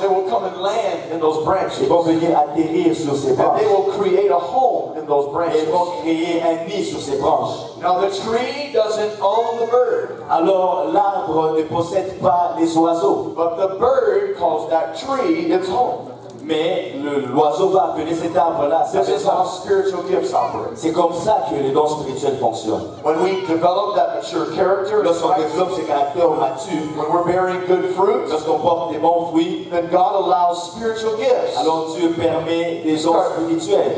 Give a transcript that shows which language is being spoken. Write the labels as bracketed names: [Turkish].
[English] They will come and land in those branches. [French] Ils vont venir atterrir sur ces branches. [English] And they will create a home in those branches. [French] Ils vont créer un nid sur ces branches. [English] Now the tree doesn't own the bird. [French] Alors l'arbre ne possède pas les oiseaux. [English] But the bird calls that tree its home. [French] Mais l'oiseau va appeler cet arbre-là. [English] This is how spiritual gifts operate. [French] C'est comme ça que les dons spirituels fonctionnent. [English] When we develop that mature character, [French] lorsqu'on développe ces caractères matures, [English] when we're bearing good fruits, [French] lorsqu'on porte des bons fruits, [English] then God allows spiritual gifts. [French] Alors Dieu permet des dons spirituels.